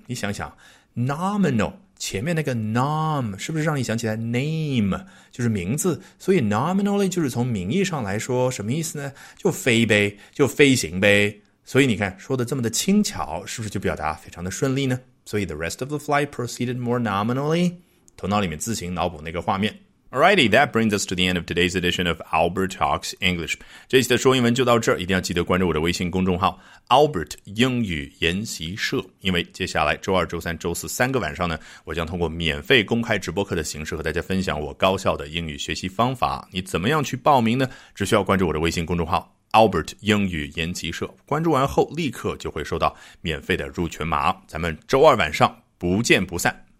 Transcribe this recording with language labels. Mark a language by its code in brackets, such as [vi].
[zh] 你想想 nominal 前面那个 nom 是不是让你想起来 name 就是名字，所以 nominally 就是从名义上来说什么意思呢？就飞呗，就飞行呗。所以你看说的这么的轻巧，是不是就表达非常的顺利呢？所以 [en] the rest of the flight proceeded more nominally, [zh] 头脑里面自行脑补那个画面。 [en] Alrighty, that brings us to the end of today's edition of Albert Talks English. [zh] 这期的说英文就到这儿，一定要记得关注我的微信公众号 Albert 英语研习社，因为接下来周二、周三、周四三个晚上呢，我将通过免费公开直播课的形式和大家分享我高效的英语学习方法。你怎么样去报名呢？只需要关注我的微信公众号Albert 英语研习社，关注完后立刻就会收到免费的入群码。咱们周二晚上不见不散。